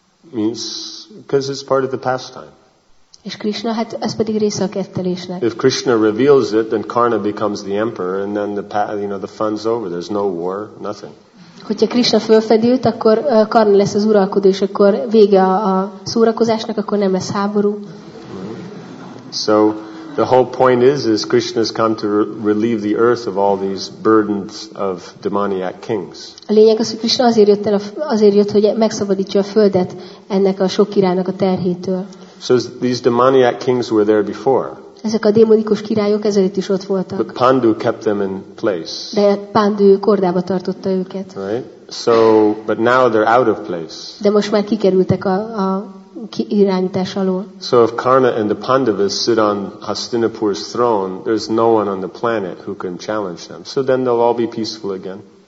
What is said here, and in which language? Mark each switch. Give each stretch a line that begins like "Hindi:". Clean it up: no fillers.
English: Means because it's part of the pastime.
Hungarian: És Krishna, hát ez pedig része a kettelésnek.
English: If Krishna reveals it, then Karna becomes the emperor, and then the fun's over. There's no war, nothing.
Hungarian: Hogyha Krishna fölfedi őt, akkor Karna lesz az uralkodó, és akkor vége a szórakozásnak, akkor nem lesz háború.
English: So the whole point is Krishna's come to relieve the earth of all these burdens of demoniac kings.
Hungarian: A lényeg az, hogy Krishna azért jött, hogy megszabadítsa a földet ennek a sok királynak a terhétől.
English: So these demoniac kings were there before.
Hungarian: Ezek a démonikus királyok ezelőtt is ott voltak.
English: But Pandu kept them in place.
Hungarian: De Pandu kordába tartotta őket.
English: Right. So, but now they're out of place.
Hungarian: De most már kikerültek a irányítás alól.
English: So if Karna and the Pandavas sit on Hastinapur's throne, there's no one on the planet who can challenge them. So then they'll all be peaceful again.